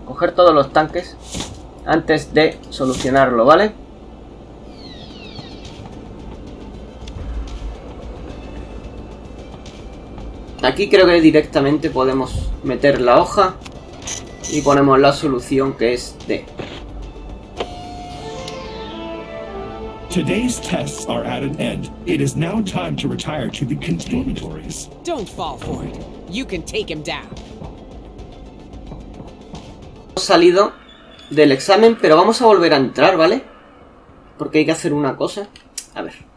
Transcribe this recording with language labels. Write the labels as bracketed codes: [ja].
[es] Coger todos los tanques antes de solucionarlo, ¿vale? Aquí creo que directamente podemos meter la hoja y ponemos la solución, que es D. [en] Today's tests are at an end. It is now time to retire to the conservatories. Don't fall for it. You can take him down. [es] Hemos salido del examen, pero vamos a volver a entrar, ¿vale? Porque hay que hacer una cosa. A ver.